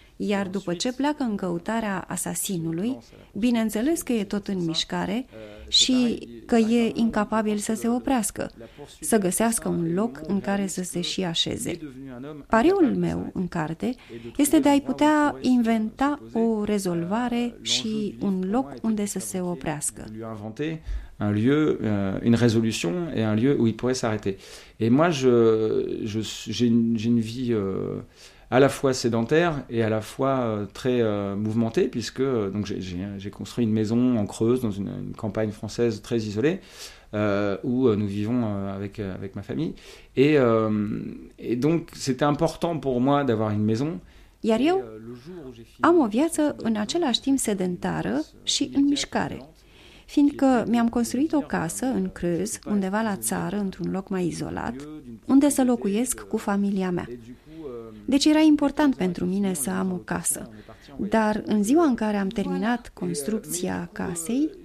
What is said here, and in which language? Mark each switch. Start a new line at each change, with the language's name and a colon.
Romanian: Iar după ce pleacă în căutarea asasinului, bineînțeles că e tot în mișcare și că e incapabil să se oprească, să găsească un loc în care să se și așeze. Pariul meu în carte este de a-i putea inventa o rezolvare și un loc unde să se oprească.
French: Un lieu, une résolution et un lieu où il pourrait s'arrêter. Et moi, j'ai une vie à la fois sédentaire et à la fois très mouvementée, puisque donc j'ai construit une maison en Creuse, dans une campagne française très isolée, où nous vivons avec ma famille. Et donc, c'était important pour moi d'avoir une maison.
Romanian: Iar eu am o viață în același timp sedentară și în mișcare. Fiindcă mi-am construit o casă în Creuz, undeva la țară, într-un loc mai izolat, unde să locuiesc cu familia mea. Deci era important pentru mine să am o casă. Dar în ziua în care am terminat construcția casei,